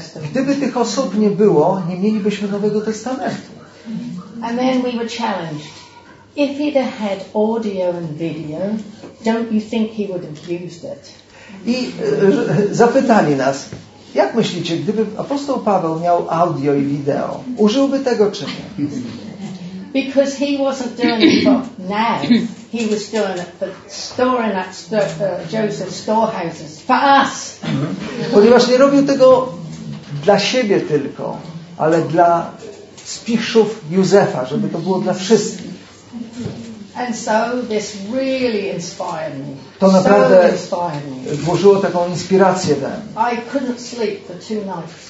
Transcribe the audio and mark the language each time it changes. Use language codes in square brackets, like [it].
[pl] Gdyby tych osób nie było, nie mielibyśmy Nowego Testamentu. [en] And then we were challenged. If he'd had audio and video, don't you think he would have used it? [pl] I zapytali nas, jak myślicie, gdyby apostoł Paweł miał audio i wideo, użyłby tego czy nie? [en] Because he wasn't doing it for now. He was doing it for storing up Joseph's storehouses for us. [pl] Ponieważ nie robił tego dla siebie tylko, ale dla spichrzów Józefa, żeby to było dla wszystkich. [en] And so this really inspired me. [pl] To naprawdę włożyło taką inspirację we mnie. [en] I couldn't sleep for two nights.